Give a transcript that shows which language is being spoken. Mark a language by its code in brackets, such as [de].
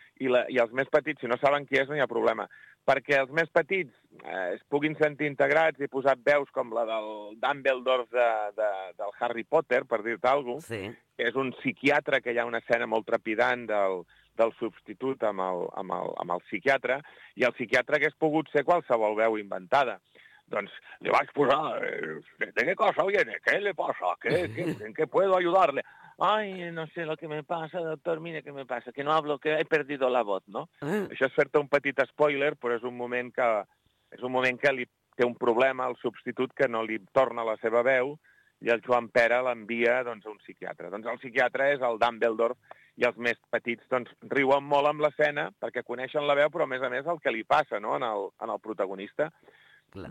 [ca] I els més petits, si no saben qui és, no hi ha problema. Perquè els més petits es puguin sentir integrats i posar veus com la del Dumbledore del Harry Potter, per dir-te alguna cosa, que és un psiquiatre, que hi ha una escena molt trepidant del substitut amb el psiquiatre, i el psiquiatre hagués pogut ser qualsevol veu inventada. Doncs li vaig posar, [es] ¿de qué cosa viene? ¿Qué le pasa? ¿En qué puedo ayudarle? Ay, no sé lo que me pasa, doctor, mire qué me pasa, que no hablo, que he perdido la voz, ¿no? [ca] Això és fer-te un petit spoiler, però és un moment que li té un problema al substitut, que no li torna la seva veu, i el Joan Pera l'envia doncs, a un psiquiatre. Doncs el psiquiatre és el Dumbledore, i els més petits doncs, riuen molt amb l'escena perquè coneixen la veu, però a més el que li passa no?, en el protagonista. Clar.